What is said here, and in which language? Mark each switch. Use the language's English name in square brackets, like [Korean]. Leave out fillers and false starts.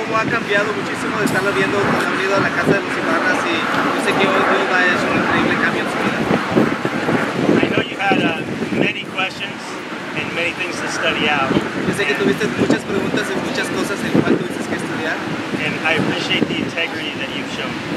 [Spanish] Cambiado muchísimo de estarlo viendo cuando ha venido a la casa de los hijos. agarras y yo sé que hoy Dios va a hacer un increíble cambio en su vida. [English] I know you had many questions and many things to study out. [Spanish] Yo sé que tuviste muchas preguntas y muchas cosas en cual tuviste que estudiar. [English] And I appreciate the integrity that you've shown.